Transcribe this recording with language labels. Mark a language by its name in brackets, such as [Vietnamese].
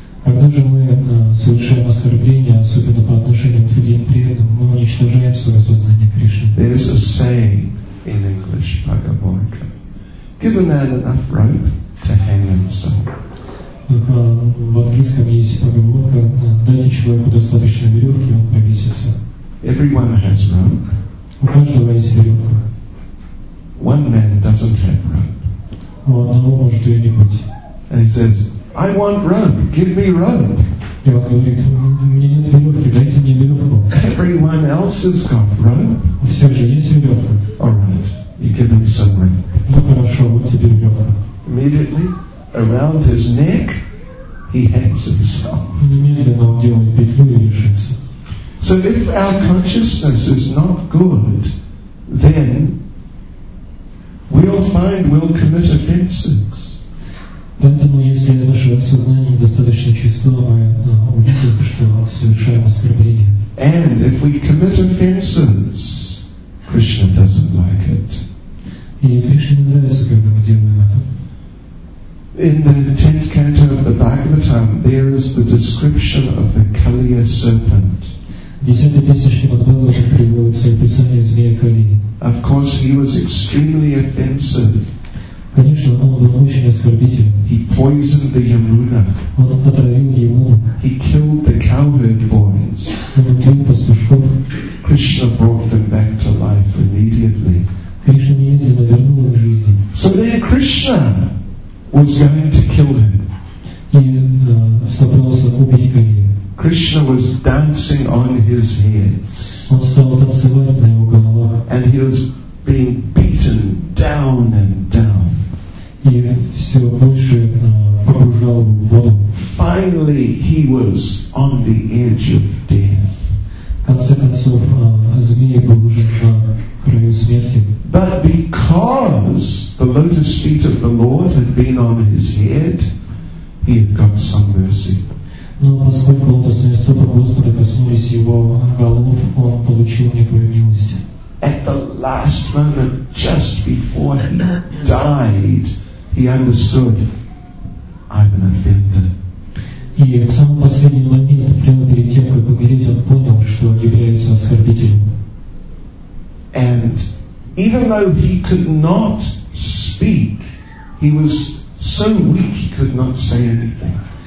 [Russian] Когда же мы совершаем оскорбление, особенно по отношению к другим преданным, мы уничтожаем свое сознание Кришны. [English] There is a saying in English, Pagabhoika. Give a man enough rope to hang himself. [Russian] В английском есть поговорка: дайте человеку достаточно веревки, он повесится. [English] Everyone has rope. [Russian] У каждого есть веревка. [English] One man doesn't have rope. [Russian] У одного может ее не быть. [English] And he says, I want rope. Give me rope. [Russian] И он говорит, мне нет веревки, дайте мне веревку. [English] Everyone else has got rope. [Russian] Все же есть веревка. [English] All right. You give him some rope. [Russian] Ну хорошо, вот тебе веревка. [English] Immediately, around his neck, he hangs himself. [Russian] Немедленно он делает петлю и вешается. [English] So if our consciousness is not good, then we'll find we'll commit offenses. [Russian] Поэтому, если наше сознание достаточно чисто, мы увидим, что совершаем оскорбление. [English] And if we commit offenses, Krishna doesn't like it. [Russian] И Кришне не нравится, когда мы делаем это. [English] In the 10th canto of the Bhagavatam, there is the description of the Kaliya serpent. [Russian] В 10-й песне Шримад Бхагаватам приводится описание змея Кали. [English] Of course, he was extremely offensive. [Russian] Конечно, он был очень оскорбителен. [English] He poisoned the Yamuna. [Russian] Он отравил Ямуну. [English] He killed the cowherd boys. [Russian] Он убил пастушков. [English] Krishna brought them back to life immediately. [Russian] Кришна немедленно вернул их к жизни. [English] So then Krishna was going to kill him. [Russian] И собрался убить Кали. [English] Krishna was dancing on his head. [Russian] Он стал танцевать на его головах. [English] And he was being beaten down and down. [Russian] И все больше погружал в воду. [English] Finally, he was on the edge of death. [Russian] В конце концов, змей был уже на краю смерти. [English] But because the lotus feet of the Lord had been on his head, he had got some mercy. [Russian] Но поскольку лотосные стопы Господа коснулись его голов, он получил некую милость. [English] At the last moment, just before he died, he understood, I'm an offender. [Russian] И в самый последний момент, прямо перед тем, как умереть, он понял, что является оскорбителем. [English] And even though he could not speak, he was so weak he could not say anything.